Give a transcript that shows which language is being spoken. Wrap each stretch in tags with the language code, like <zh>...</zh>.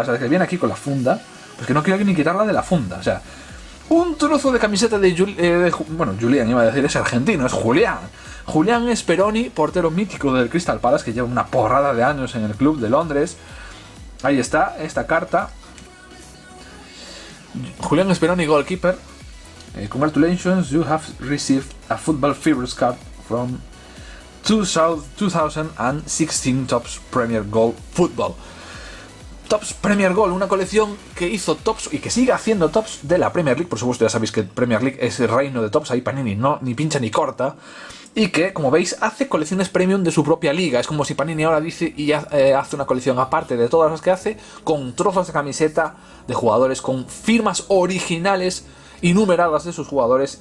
<es>O sea, que viene aquí con la funda, pues que no quiero ni quitarla de la funda. O sea, un trozo de camiseta de Julián, iba a decir, es argentino, es Julián. Julián Speroni, portero mítico del Crystal Palace, que lleva una porrada de años en el club de Londres. Ahí está, esta carta.</es> <en>Julián Speroni, goalkeeper. Congratulations, you have received a football fever's card from 2016 Tops Premier Goal Football.</en> <es>Tops Premier Goal, una colección que hizo Tops y que sigue haciendo Tops de la Premier League. Por supuesto, ya sabéis que Premier League es el reino de Tops, ahí Panini no, ni pincha ni corta. Y que, como veis, hace colecciones premium de su propia liga. Es como si Panini ahora dice y hace una colección aparte de todas las que hace, con trozos de camiseta de jugadores, con firmas originales y numeradas de sus jugadores.</es>